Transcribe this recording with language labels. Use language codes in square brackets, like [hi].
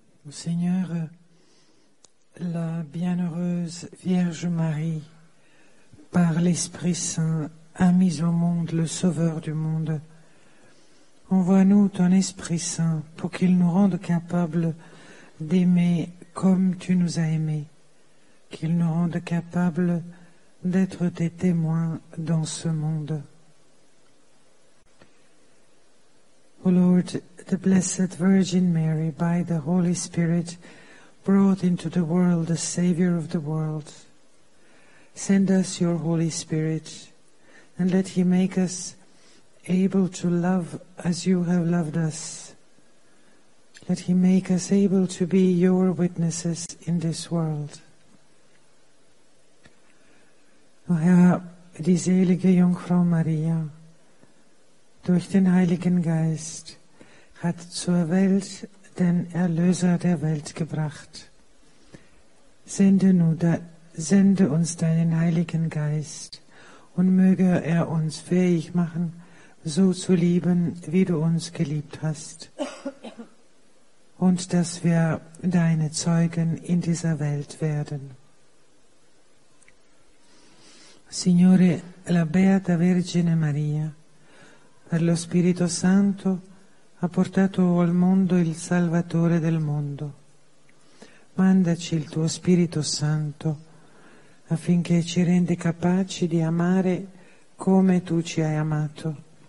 [fr] Seigneur, la bienheureuse Vierge Marie, par l'Esprit Saint, a mis au monde le Sauveur du monde. Envoie-nous ton Esprit Saint pour qu'il nous rende capables d'aimer comme tu nous as aimés, qu'il nous rende capables d'être tes témoins dans ce monde. [en] O Lord, the Blessed Virgin Mary, by the Holy Spirit, brought into the world the Savior of the world. Send us your Holy Spirit, and let him make us able to love as you have loved us. Let him make us able to be your witnesses in this world. [de] O Herr, die selige Jungfrau Maria, durch den Heiligen Geist, hat zur Welt den Erlöser der Welt gebracht. Sende uns deinen Heiligen Geist und möge er uns fähig machen, so zu lieben, wie du uns geliebt hast, und dass wir deine Zeugen in dieser Welt werden. [it] Signore, la Beata Vergine Maria, per lo Spirito Santo, ha portato al mondo il Salvatore del mondo. Mandaci il tuo Spirito Santo affinché ci rende capaci di amare come tu ci hai amato.